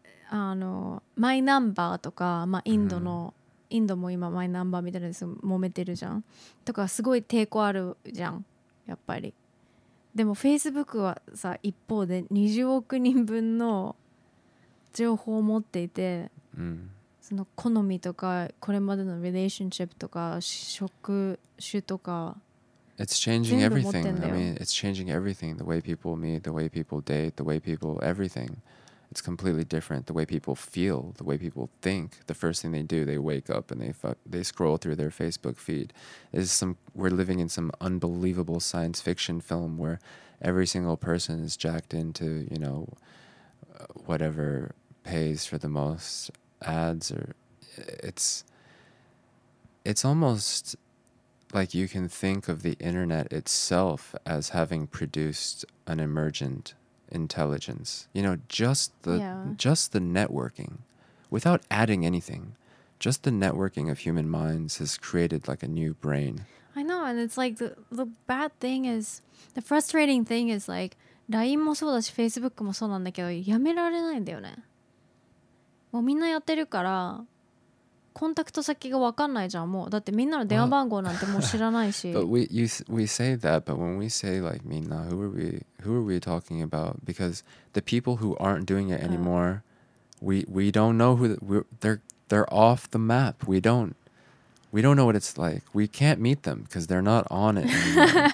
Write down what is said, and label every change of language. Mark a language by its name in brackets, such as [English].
[Japanese] あのマイナンバーとか、まあ、インドの、インドも今マイナンバーみたいなのに揉めてるじゃんとかすごい抵抗あるじゃんやっぱりでも Facebook はさ一方で20億人分の情報を持っていて、その好みとかこれまでのリレーションシップとか職種とか [English] It's changing everything. I mean, it's changing everything. The way people meet, the way people date, the way people everythingIt's completely different. The way people feel, the way people think, the first thing they do, they wake up and they scroll through their Facebook feed. We're living in some unbelievable science fiction film where every single person is jacked into, you know, whatever pays for the most ads. Or it's almost like you can think of the internet itself as having produced an emergent... intelligence, you know, just the networking without adding anything, just the networking of human minds has created like a new brain. I know, and it's like the bad thing is the frustrating thing is like LINE [Japanese] もそうだし Facebook もそうなんだけどやめられないんだよね。もうみんなやってるからコンタクト先が分かんないじゃん。もうだってみんなの電話番号なんてもう知らないし。 [English] But we say that, but when we say like みんな who are we talking about? Because the people who aren't doing it anymore, we don't know who they're off the map. We don't know what it's like. We can't meet them because they're not on it anymore.